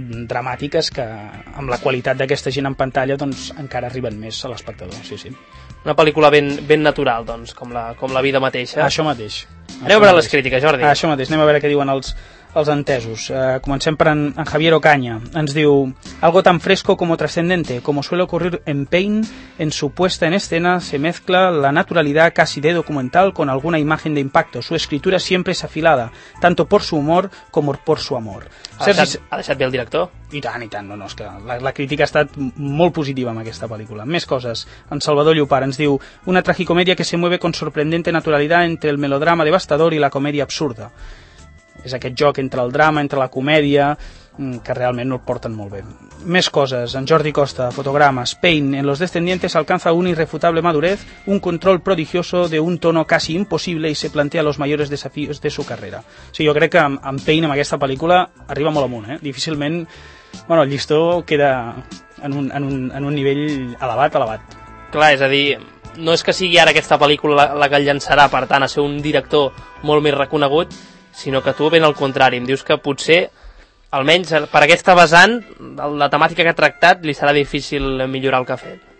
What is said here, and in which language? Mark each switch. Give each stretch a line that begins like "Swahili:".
Catalan: dramàtiques que amb la qualitat d'aquesta gent en pantalla doncs encara arriben més a l'espectador. Sí, sí. Una pel·lícula ben natural, doncs, com la vida mateixa. Això mateix. Anem a veure les crítiques, Jordi. Això mateix, anem a veure què diuen els entesos. Comencem per en Javier Ocaña. Ens diu:
Spanish: algo tan fresco como trascendente, como suele ocurrir en Payne, en su puesta en escena se mezcla la naturalidad casi de documental con alguna imagen de impacto. Su escritura siempre es afilada, tanto por su humor como por su amor.
Catalan: Ha deixat bé el director? I tant, no, és que la crítica ha estat molt positiva amb aquesta pel·lícula. Més coses. En Salvador Llopar ens diu: una tragicomèdia
Spanish: que se mueve con sorprendente naturalidad entre el melodrama devastador y la comedia absurda.
Catalan: És aquest joc entre el drama, entre la comèdia, que realment no el porten molt bé. Més coses. En Jordi Costa, Fotograma.
Spanish: Spain, en Los Descendientes alcanza una irrefutable madurez, un control prodigioso de un tono casi imposible y se plantea los mayores desafíos de su carrera.
Catalan: Sí, jo crec que en Payne, amb aquesta pel·lícula, arriba molt amunt. Difícilment, bueno, el llistó queda en un nivell elevat. Clar, és a dir... No és que sigui ara aquesta pel·lícula la que el llançarà, per tant, a ser un director molt més reconegut, sinó que tu ben al contrari, em dius que potser, almenys per aquesta vessant, la temàtica que ha tractat li serà difícil millorar el que ha fet.